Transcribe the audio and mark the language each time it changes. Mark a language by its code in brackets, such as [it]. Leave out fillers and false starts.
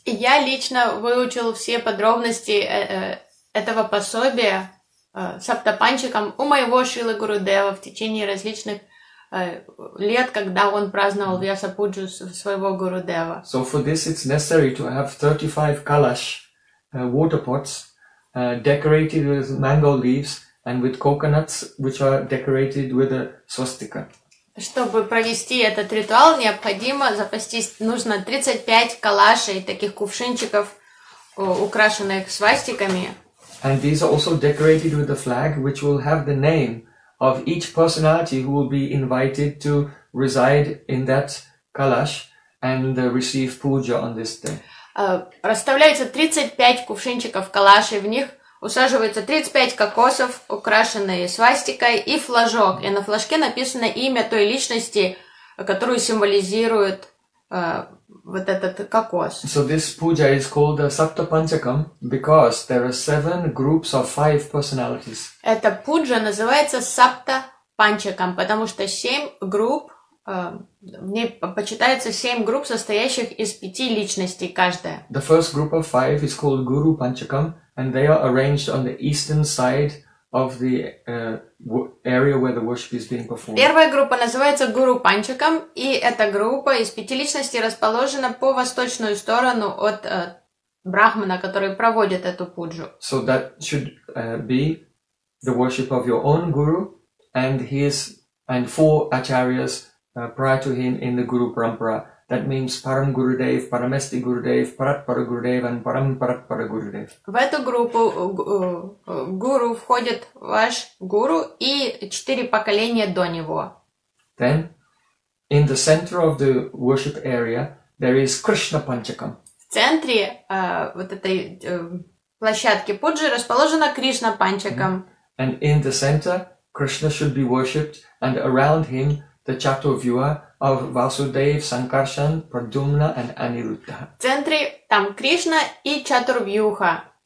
[ru] Я лично выучил все подробности этого пособия саптапанчиком у моего Шрилы Гурудева в течение различных лет, когда он праздновал Вьяса Пуджу своего Гурудева. [en] So for this it's necessary to have 35 kalash water pots decorated with mango leaves and with coconuts, which are decorated with a swastika. [ru] Чтобы провести этот ритуал, необходимо запастись, нужно 35 калашей, таких кувшинчиков, украшенных свастиками. [en] And these are also decorated with a flag, which will have the name of each personality who will be invited to reside in that kalash and receive puja on this day. [ru] Расставляется 35 кувшинчиков калашей, в них усаживается 35 кокосов, украшенные свастикой и флажок. И на флажке написано имя той личности, которую символизирует вот этот кокос. [en] So this puja is called Sapta Panchakam because there are seven groups of five personalities. [ru] Эта пуджа называется Сапта Панчакам, потому что семь групп, в ней почитается семь групп, состоящих из пяти личностей каждая. [en] The first group of five is called Guru Panchakam, and they are arranged on the eastern side of the area where the worship is being performed. [ru] Первая группа называется Гуру Панчакам, и эта группа из пяти личностей расположена по восточную сторону от брахмана, который проводит эту пуджу. [en] So that should be the worship of your own guru and his and four acharyas prior to him in the guru parampara. That means Param Gurudev, Paramesti Gurudev, Paratpara Gurudev and Param Paratpara Gurudev. [ru] В эту группу гуру входит ваш гуру и четыре поколения до него. [en] Then, in the center of the worship area, there is Krishna Panchakam. [ru] В центре вот этой площадки пуджи расположена Кришна Панчакам. [en] And in the center, Krishna should be worshipped, and around him the Chaturvyuha of Vasudev, Sankarshan, Pradyumna and Aniruddha. [ru] В центре там Кришна и Чатурвьюха.